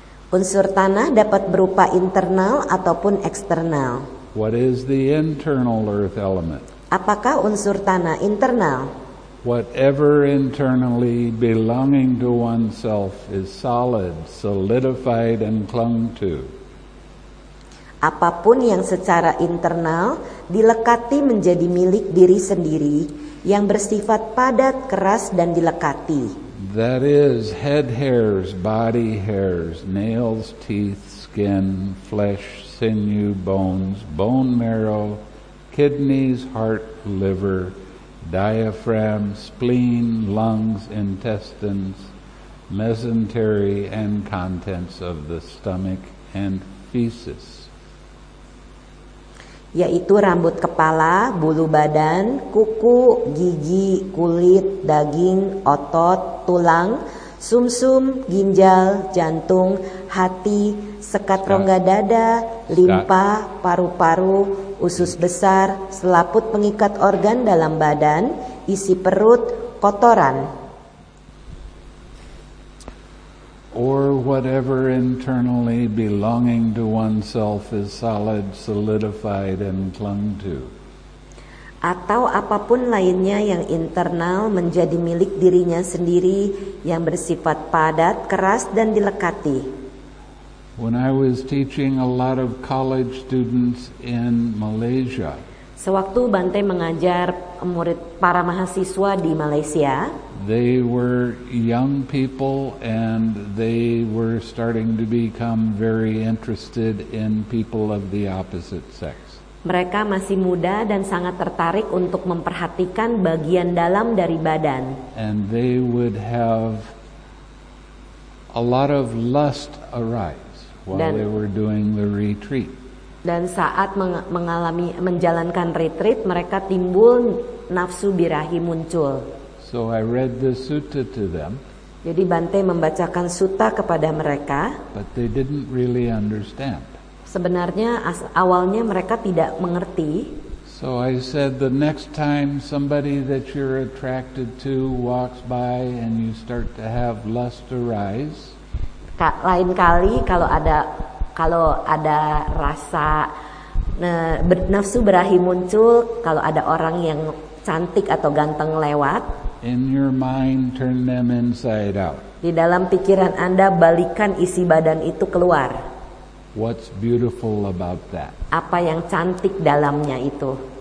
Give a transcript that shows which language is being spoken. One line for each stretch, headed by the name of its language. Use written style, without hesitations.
Indonesian: Unsur tanah dapat berupa internal ataupun eksternal.
English: What is the internal earth element?
Indonesian: Apakah unsur tanah internal?
English: Whatever internally belonging to oneself is solid, solidified, and clung to.
Indonesian: Apapun yang secara internal dilekati menjadi milik diri sendiri, yang bersifat padat, keras, dan dilekati.
English: That is head hairs, body hairs, nails, teeth, skin, flesh, sinew, bones, bone marrow, kidneys, heart, liver, diaphragm, spleen, lungs, intestines, mesentery, and contents of the stomach and feces.
Indonesian: Yaitu rambut kepala, bulu badan, kuku, gigi, kulit, daging, otot, tulang, sumsum, ginjal, jantung, hati, sekat rongga dada, limpa, paru-paru, usus besar, selaput pengikat organ dalam badan, isi perut, kotoran.
English: Or whatever internally belonging to oneself is solid, solidified, and clung to.
Indonesian: Atau apapun lainnya yang internal menjadi milik dirinya sendiri, yang bersifat padat, keras, dan dilekati.
English: When I was teaching a lot of college students in Malaysia.
Indonesian: Sewaktu Bante mengajar murid para mahasiswa di Malaysia.
English: They were young people and they were starting to become very interested in people of the opposite sex.
Indonesian: Mereka masih muda dan sangat tertarik untuk memperhatikan bagian dalam dari badan.
English: And they would have a lot of lust arise while
Indonesian: dan,
English: they were doing the retreat.
Indonesian: Dan saat mengalami menjalankan retreat, mereka timbul nafsu birahi muncul.
English: So I read the sutta to them.
Indonesian: Jadi Bante membacakan sutta kepada mereka.
English: But they didn't really understand.
Indonesian: Sebenarnya awalnya mereka tidak mengerti.
English: So I said the next time somebody that you're attracted to walks by and you start to have lust arise.
Indonesian: Lain kali kalau ada rasa nafsu birahi muncul, kalau ada orang yang cantik atau ganteng lewat.
English: In your mind, turn them inside out.
Indonesian: Di dalam pikiran Anda, balikan isi badan itu keluar.
English: What's beautiful about that?
Indonesian: Apa yang cantik dalamnya itu?